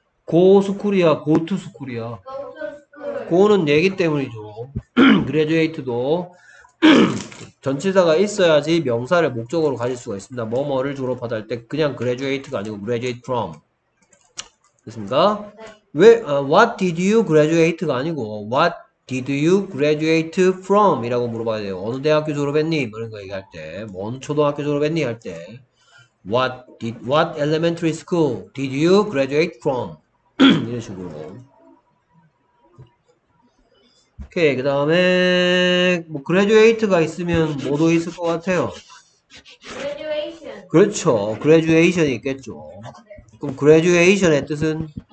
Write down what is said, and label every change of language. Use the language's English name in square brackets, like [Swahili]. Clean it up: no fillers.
[English] Go school이야, go to school이야. [Korean] Go는 얘기 때문이죠. graduate도. 전치사가 있어야지 명사를 목적으로 가질 수가 있습니다. 뭐뭐를 졸업하다 할때 그냥 graduate가 아니고 graduate from. 됐습니까? 왜, [English] what did you graduate가 [Korean] 아니고, [English] what did you graduate from? [Korean] 이라고 물어봐야 돼요. 어느 대학교 졸업했니? 이런 거 얘기할 때. 뭔 초등학교 졸업했니? 할 때. [English] What elementary school did you graduate from? [Korean] 이런 식으로. 오케이. 그 다음에, 뭐, graduate가 있으면 뭐도 있을 것 같아요? [English] Graduation. [Korean] 그렇죠. graduation이 있겠죠. 그럼 graduation의 뜻은?